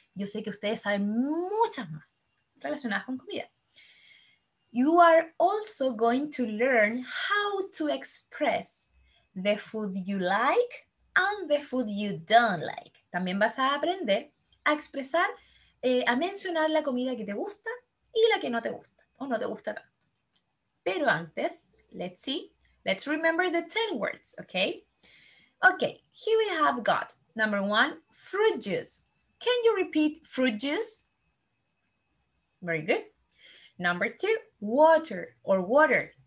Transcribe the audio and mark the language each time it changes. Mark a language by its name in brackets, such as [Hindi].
[Spanish] Yo sé que ustedes saben muchas más relacionadas con comida. [English] You are also going to learn how to express the food you like and the food you don't like. [Spanish] También vas a aprender a expresar, a mencionar la comida que te gusta y la que no te gusta, o no te gusta tanto. Pero antes, [English] let's see, let's remember the 10 words, okay? Okay, here we have got number 1, fruit juice. Can you repeat fruit juice? Very good. Number 2, water or water.